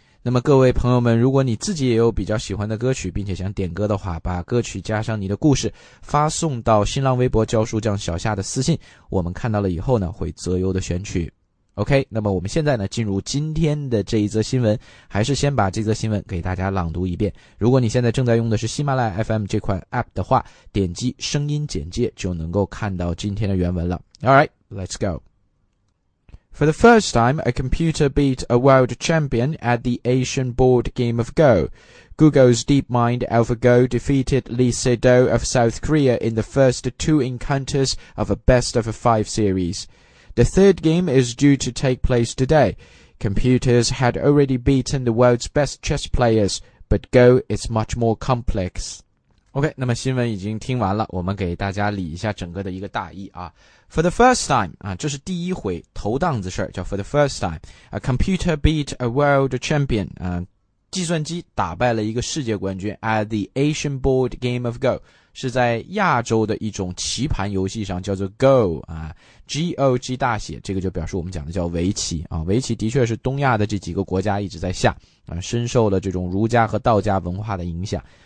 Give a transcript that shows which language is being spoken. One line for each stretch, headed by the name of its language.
Chinese: 那么各位朋友们，如果你自己也有比较喜欢的歌曲并且想点歌的话，把歌曲加上你的故事发送到新浪微博教书匠小夏的私信，我们看到了以后呢会择优的选取。 OK， 那么我们现在呢进入今天的这一则新闻，还是先把这则新闻给大家朗读一遍。如果你现在正在用的是喜马拉雅 FM 这款 APP 的话，点击声音简介就能够看到今天的原文了。
English: Alright, let's goFor the first time, a computer beat a world champion at the Asian board game of Go. Google's DeepMind AlphaGo defeated Lee Sedol of South Korea in the first two encounters of a best-of-five series. The third game is due to take place today. Computers had already beaten the world's best chess players, but Go is much more complex.
Chinese: OK, 那么新闻已经听完了，我们给大家理一下整个的一个大意啊。
English: For the first time,
Chinese: 啊，这是第一回，头档子事儿，叫 For the first time,
English: a computer beat a world champion,
Chinese: 啊，计算机打败了一个世界冠军
English: at the Asian board game of Go,
Chinese: 是在亚洲的一种棋盘游戏上，叫做 Go, 啊 ,G-O-G 大写，这个就表示我们讲的叫围棋啊，围棋的确是东亚的这几个国家一直在下啊，深受了这种儒家和道家文化的影响。